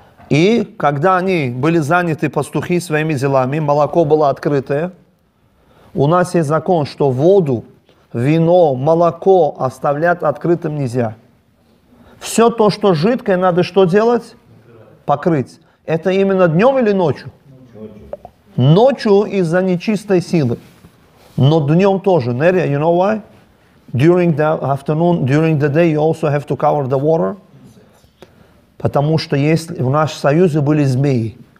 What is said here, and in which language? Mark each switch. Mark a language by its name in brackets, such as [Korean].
[Russian] И когда они были заняты, пастухи, своими делами, молоко было открытое. У нас есть закон, что воду, вино, молоко оставлять открытым нельзя. Все то, что жидкое, надо что делать? Покрыть. Это именно днем или ночью? Ночью. Ночью из-за нечистой силы. Но днем тоже. [English] Нерия, you know why? During the afternoon, during the day, you also have to cover the water. [Russian] Потому что есть, в нашем союзе были змеи.